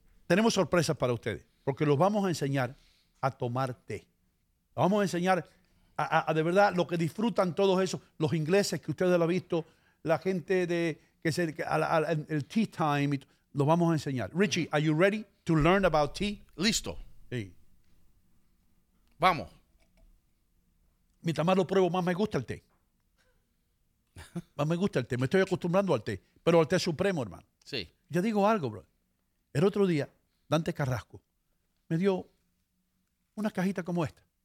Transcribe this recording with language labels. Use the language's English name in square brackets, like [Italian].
[Spanish] tenemos sorpresas para ustedes, porque los vamos a enseñar a tomar té. Los vamos a enseñar a de verdad lo que disfrutan todos esos, los ingleses que ustedes lo han visto, la gente de que se, el tea time, los vamos a enseñar. [English] Richie, are you ready to learn about tea? [Spanish] Listo. Sí. Vamos. Mientras más lo pruebo, más me gusta el té. Más me gusta el té. Me estoy acostumbrando al té. Pero al té supremo, hermano. Sí. Ya digo algo, bro. El otro día, Dante Carrasco me dio una cajita como esta.